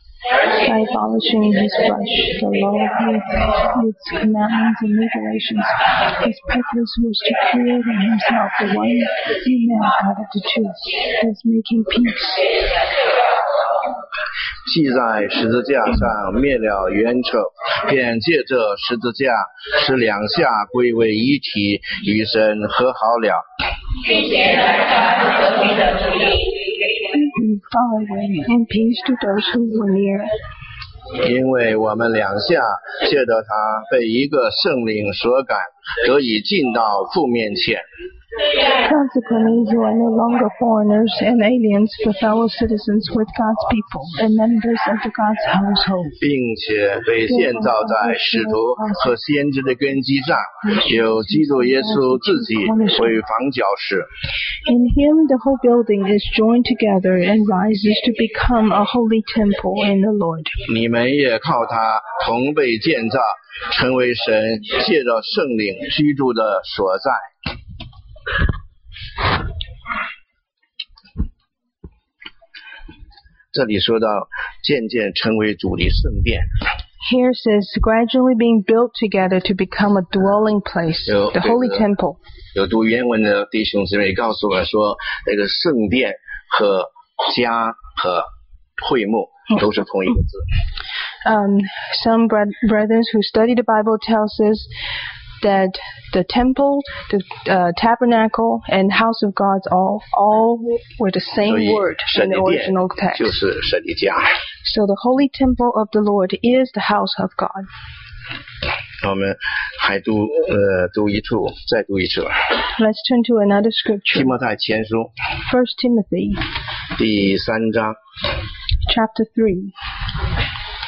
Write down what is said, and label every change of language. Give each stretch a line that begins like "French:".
English: By abolishing his flesh, the law of its commandments and regulations, his purpose was to create in himself the one new man out of the two, thus making peace.
Chinese: 既在十字架上灭了冤仇，便借着十字架使两下归为一体，与神和好了。
English: And peace to those who were near.
Chinese: 因为我们两下借着他被一个圣灵所感，得以进到父面前。
English: Consequently, you are no longer foreigners and aliens, but fellow citizens with God's people and members of the God's household.
Chinese: 并且被建造在使徒和先知的根基上，有基督耶稣自己为房角石。
English: In him, the whole building is joined together and rises to become a holy temple in the Lord.
Chinese: 你们也靠他同被建造，成为神借着圣灵居住的所在。这里说到渐渐成为主的圣殿。
English: Here says gradually being built together to become a dwelling place, the holy temple.
Chinese: 有读原文的弟兄姊妹告诉我说，那个圣殿和家和会幕都是同一个字。
English: Some brethren who study the Bible tells us. That the temple, the tabernacle, and house of God all were the same word in the original text.
Chinese: 就是神的家。
English: So the holy temple of the Lord is the house of God.
Chinese: 我们还读读一处，再读一处。
English: Let's turn to another scripture.
Chinese: 提摩太前书。
English: First Timothy.
Chinese: 第三章。
English: Chapter 3.